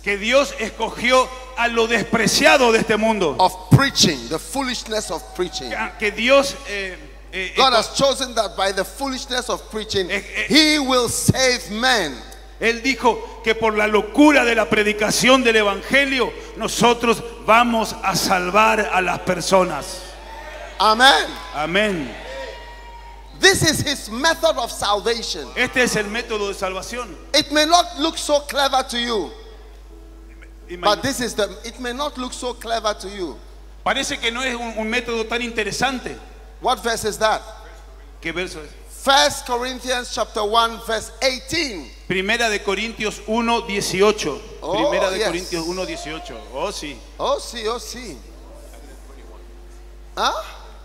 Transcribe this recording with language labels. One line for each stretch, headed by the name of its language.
Spanish: Que Dios escogió a lo despreciado de este mundo.
English: Of preaching, the foolishness of preaching.
Spanish: Que Dios
English: God has chosen that by the foolishness of preaching, he will save men.
Spanish: Él dijo que por la locura de la predicación del evangelio nosotros vamos a salvar a las personas. Amén. Amén.
English: This is his method of salvation.
Spanish: Este es el método de salvación.
English: It may not look so clever to you. But this is the it may not look so clever to you.
Spanish: Parece que no es un método tan interesante.
English: What verse is that?
Spanish: ¿Qué verso es?
English: 1 Corinthians chapter 1 verse 18.
Spanish: Primera de Corintios 1:18. Oh, Primera de
English: yes.
Spanish: Corintios 1:18. Oh sí. Oh sí, oh sí. ¿Ah?